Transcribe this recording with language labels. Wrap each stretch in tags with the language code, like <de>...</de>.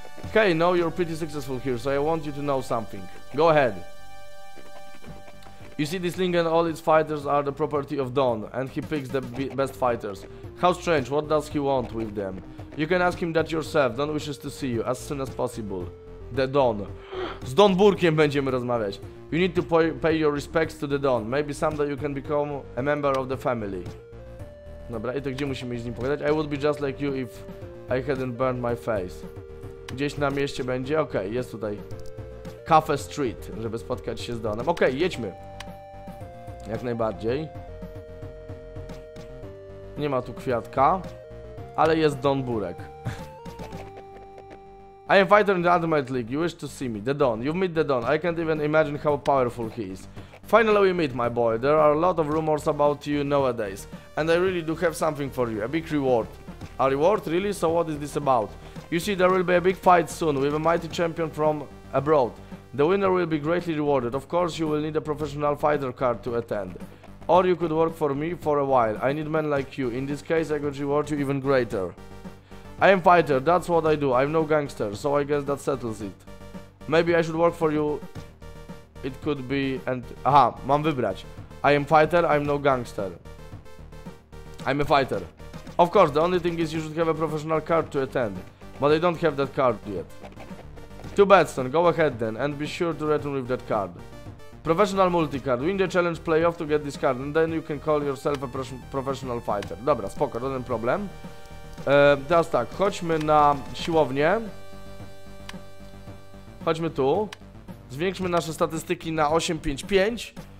<en>Okay, now you're pretty successful here, so I want you to know something. Go ahead. You see, this Ling and all its fighters are the property of Dawn, and he picks the best fighters. How strange, what does he want with them? You can ask him that yourself, Dawn wishes to see you as soon as possible. The Dawn.</en> <pl>Z Dawn Burkiem będziemy rozmawiać.</pl> <en>You need to pay your respects to the Dawn, maybe someday you can become a member of the family.</en> <pl>Dobra, i to gdzie musimy z nim pogadać?</pl> <en>I would be just like you if I hadn't burned my face.</en> <pl>Gdzieś na mieście będzie? Okej, okay, jest tutaj Cafe Street, żeby spotkać się z Dawnem. Okej, okay, jedźmy. Jak najbardziej. Nie ma tu kwiatka, ale jest Dawn Burek.</pl> <en>I am fighter in the Ultimate League. You wish to see me. The Dawn. You've met the Dawn. I can't even imagine how powerful he is. Finally we meet, my boy. There are a lot of rumors about you nowadays. And I really do have something for you. A big reward. A reward? Really? So what is this about? You see, there will be a big fight soon with a mighty champion from abroad. The winner will be greatly rewarded. Of course, you will need a professional fighter card to attend. Or you could work for me for a while. I need men like you. In this case, I could reward you even greater. I am fighter. That's what I do. I'm no gangster, so I guess that settles it. Maybe I should work for you. It could be and...</en> <pl>Aha, mam wybrać.</pl> <en>I am fighter. I'm no gangster. I'm a fighter. Of course, the only thing is you should have a professional card to attend. But I don't have that card yet. Too bad, son. Go ahead then, and be sure to return with that card. Professional multicard. Win the challenge playoff to get this card, and then you can call yourself a professional fighter.</en> <pl>Dobra, spoko, żaden problem. Teraz tak, chodźmy na siłownię. Chodźmy tu. Zwiększmy nasze statystyki na 855.</pl>